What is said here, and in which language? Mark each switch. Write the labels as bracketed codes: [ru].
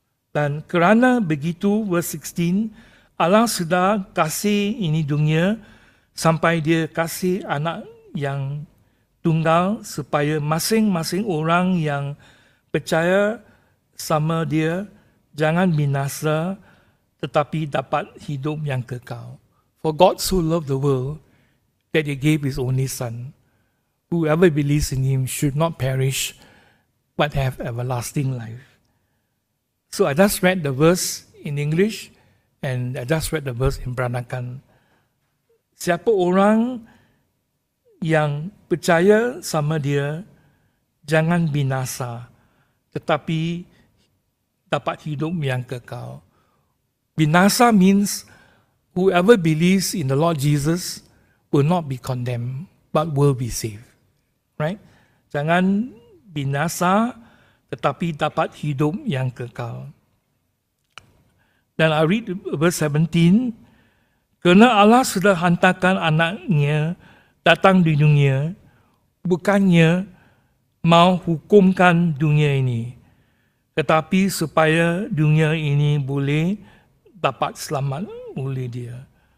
[ms] Dan kerana begitu, verse 16, Allah sudah kasih ini dunia sampai dia kasih anak yang tunggal supaya masing-masing orang yang percaya sama dia jangan binasa tetapi dapat hidup yang kekal. [en] For God so loved the world that he gave his only son. Whoever believes in him should not perish but have everlasting life. So I just read the verse in English and I just read the verse in Peranakan. [ms] Siapa orang yang percaya sama dia jangan binasa tetapi dapat hidup yang kekal. [en] Binasa means whoever believes in the Lord Jesus will not be condemned but will be saved. Right? [ms] Jangan binasa tetapi dapat hidup yang kekal. [en] Then I read verse 17. [ms] Kerana Allah sudah hantarkan anaknya datang di dunia, bukannya mau hukumkan dunia ini, tetapi supaya dunia ini boleh dapat selamat oleh dia.